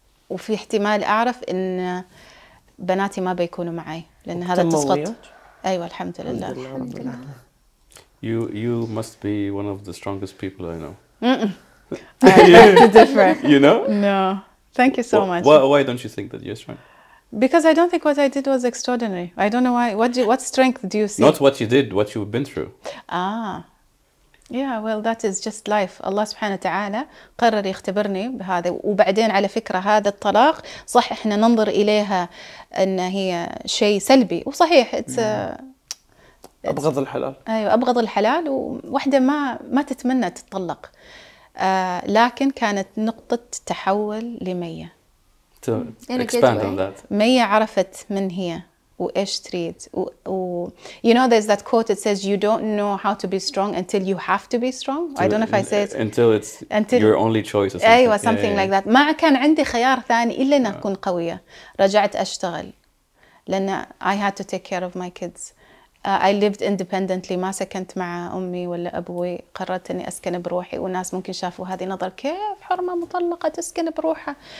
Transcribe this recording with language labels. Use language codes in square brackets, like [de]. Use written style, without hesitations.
[ar] وفي احتمال أعرف إن بناتي ما بيكونوا معي، لأن هذا تسقط. أيوة الحمد لله. [en] You must be one of the strongest people I know. Different. You know? No. Thank you so much. Why don't you think that you're strong? Because I don't think what I did was extraordinary. I don't know why. What strength do you see? Not what you did, what you've been through. Ah. Yeah. Well, that is just life. [ar] Allah سبحانه وتعالى قرر يختبرني بهذا. وبعدين على فكرة هذا الطلاق صح إحنا ننظر إليها أن هي شيء سلبي، وصحيح أبغض الحلال. أيوة أبغض الحلال، وواحدة ما تتمنى تتطلق. لكن كانت نقطة تحول لمية. [en] To expand on that. [ar] مية عرفت من هي وإيش تريد. [en] You know there's that quote, it says you don't know how to be strong until you have to be strong. I don't know if I say it. Until it's until your only choice. أيوة something yeah, yeah. like that. [ar] ما كان عندي خيار ثاني إلا أن أكون قوية. رجعت أشتغل لأن [en] I had to take care of my kids. I lived independently. [ar] ما سكنت مع أمي ولا أبوي. قررت أني أسكن بروحي. والناس ممكن شافوا هذه نظر كيف حرمة مطلقة تسكن بروحها.